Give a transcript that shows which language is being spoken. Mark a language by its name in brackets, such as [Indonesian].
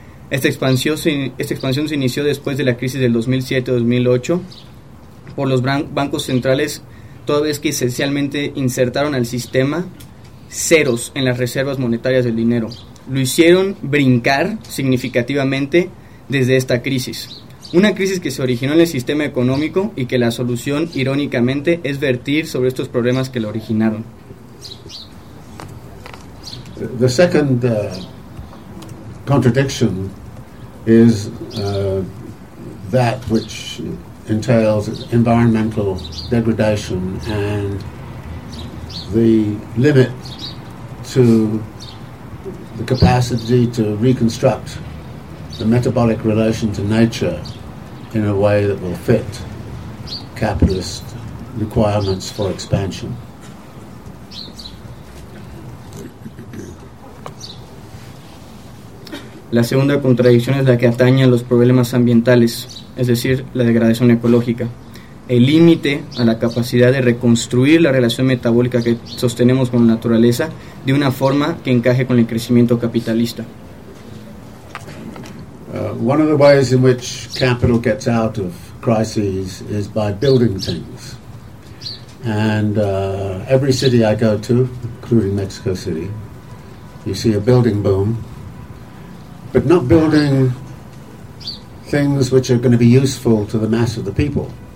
[Spanish] Esta expansión se inició después de la crisis del 2007-2008 por los bancos centrales, toda vez que esencialmente insertaron al sistema ceros en las reservas monetarias del dinero. Lo hicieron brincar significativamente desde esta crisis. Una crisis que se originó en el sistema económico y que la solución, irónicamente, es vertir sobre estos problemas que lo originaron. [English] The second contradiction is that which entails environmental degradation and the limit to the capacity to reconstruct the metabolic relation to nature in a way that will fit capitalist requirements for expansion. [Spanish] La segunda contradicción es la que atañe a los problemas ambientales, es decir, la degradación ecológica. El límite a la capacidad de reconstruir la relación metabólica que sostenemos con la naturaleza de una forma que encaje con el crecimiento capitalista. [English] One of the ways in which capital gets out of crises is by building things. And every city I go to, including Mexico City, you see a building boom, but not building things which are going to be useful to the mass of the people.